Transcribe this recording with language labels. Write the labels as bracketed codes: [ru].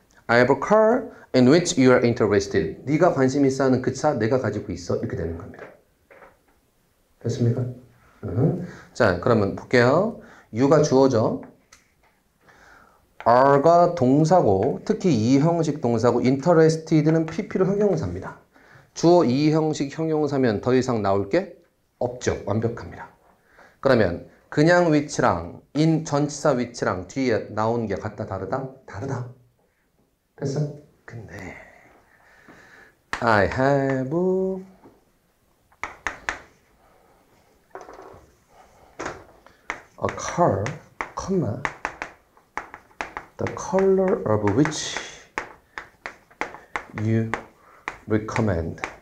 [en] I have a car in which you are interested. [ko] 네가 관심 있어 하는 그 차, 내가 가지고 있어. 이렇게 되는 겁니다. 됐습니까? 자, 그러면 볼게요. you가 주어죠. are가 동사고, 특히 이 형식 동사고, interested는 PP로 형용사입니다. 주어 이 형식 형용사면 더 이상 나올 게 없죠. 완벽합니다. 그러면 그냥 위치랑 in 전치사 위치랑 뒤에 나온 게 같다 다르다? 다르다. 됐어? 근데 [en] I have a car, [ko] 콤마 [en] The color of which you recommend.